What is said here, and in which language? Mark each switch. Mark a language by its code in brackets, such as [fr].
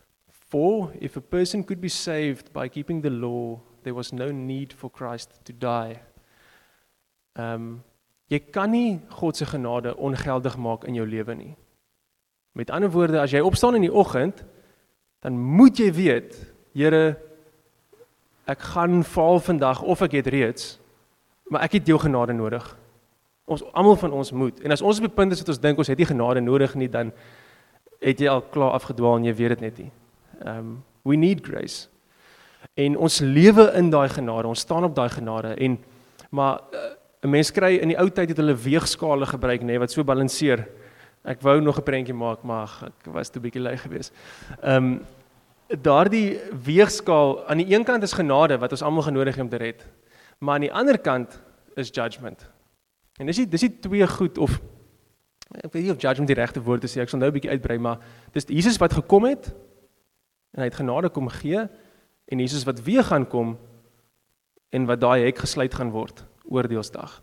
[en] For if a person could be saved by keeping the law, there was no need for Christ to die. [af] Jy kan nie God se genade ongeldig maak in jou lewe nie. Met ander woorde, as jy opstaan in die oggend, dan moet jy weet, Here, ek gaan faal vandag, of ek het reeds, maar ek het jou genade nodig. Ons almal van ons moet. En as ons op die punt is dat ons dink ons het nie genade nodig nie, dan het jy al klaar afgedwaal en jy weet dit net nie. [en] We need grace. [af] En ons lewe in daai genade, ons staan op daai genade. Maar 'n mens kry in die ou tyd het hulle weegskale gebruik, nê, wat so balanseer. Ek wou nog 'n prentjie maak, maar ek was te bietjie lui gewees. Daardie weegskaal, aan die een kant is genade wat ons almal genodig het om te red. Maar aan die ander kant is judgment. En dis die twee goed, of ek weet nie of judgment die regte woord is, ek sal nou 'n bietjie uitbrei, maar dis Jesus wat gekom het en hy het genade kom gee, en Jesus wat weer gaan kom en wat daai hek gesluit gaan word oordeelsdag.